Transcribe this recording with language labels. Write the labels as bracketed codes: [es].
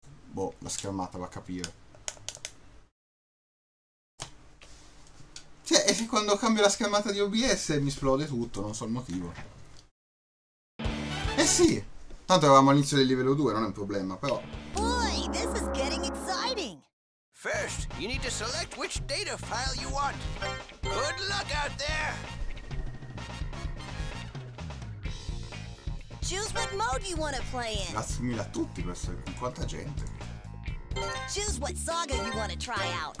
[it] Boh, la schermata va a capire. Cioè, è che quando cambio la schermata di OBS mi esplode tutto, non so il motivo. Eh sì! Tanto eravamo all'inizio del livello 2, non è un problema, però... [en] This is getting exciting! First, you need to select which data file you want. Good luck out there! Choose what mode you want to play in. [it] Grazie mille a tutti, questo è con quanta gente. [en] Choose what saga you want to try out.